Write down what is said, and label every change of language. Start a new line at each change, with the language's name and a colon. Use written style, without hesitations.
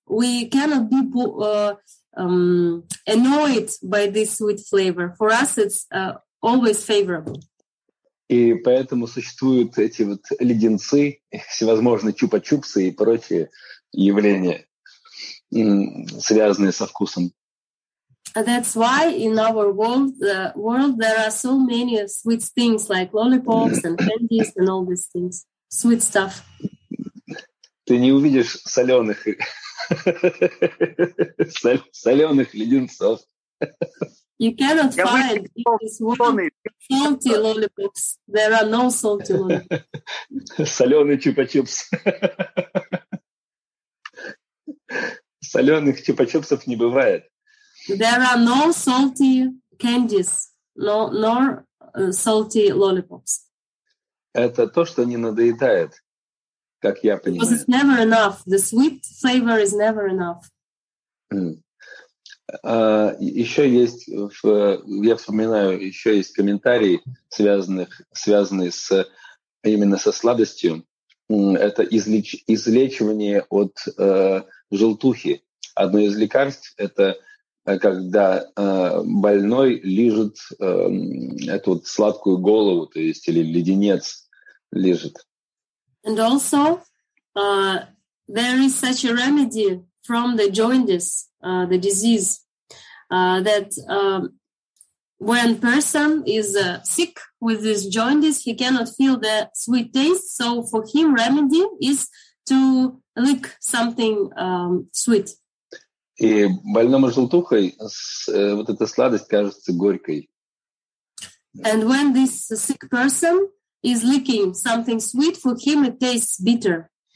English: We cannot be annoyed by this sweet flavor. For us, it's always favorable.
Russian: И поэтому существуют эти вот леденцы, всевозможные чупа-чупсы и прочие явления, связанные со вкусом.
English: That's why in our world there are so many sweet things, like lollipops and candies and all these things. Sweet stuff.
Russian: Ты не увидишь соленых леденцов.
English: You cannot find salty lollipops. There are no salty lollipops.
Russian: Соленый чупа-чупс. Соленых чупа-чупсов не бывает.
English: There are no salty candies, nor salty lollipops.
Russian: Это то, что не надоедает, как я понимаю.
English: Because it's never enough. The sweet flavor is never enough.
Russian: Еще есть, я вспоминаю, еще есть комментарии, связанные с именно со сладостью. Это излечивание от желтухи. Одно из лекарств — это когда больной лижет эту вот сладкую голову, то есть или леденец лижет.
English: And also there is such a remedy from the jaundice, the disease, that when person is sick with this jaundice, he cannot feel the sweet taste, so for him remedy is to lick something sweet.
Russian: И больному желтухой вот эта сладость кажется горькой.
English: And when this sick person is licking something sweet, for him it tastes bitter.